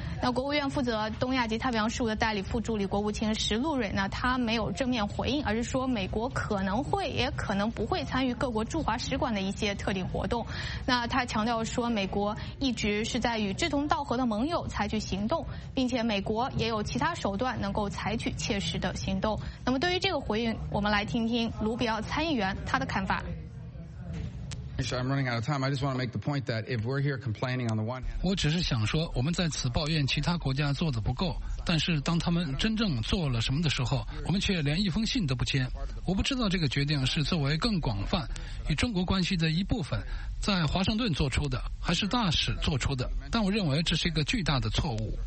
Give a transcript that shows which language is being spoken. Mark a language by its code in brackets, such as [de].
[zh] 那国务院负责东亚及太平洋事务的代理副助理国务卿石路蕊呢，他没有正面回应，而是说美国可能会也可能不会参与各国驻华使馆的一些特定活动。那他强调说，美国一直是在与志同道合的盟友采取行动，并且美国也有其他手段能够采取切实的行动。那么对于这个回应，我们来听听卢比奥参议员他的看法。 [en] I'm running out of time. I just want to make the point that if we're here complaining on the one hand, [zh] 我只是想说，我们在此抱怨其他国家做的不够，但是当他们真正做了什么的时候，我们却连一封信都不签。我不知道这个决定是作为更广泛与中国关系的一部分，在华盛顿做出的，还是大使做出的。但我认为这是一个巨大的错误。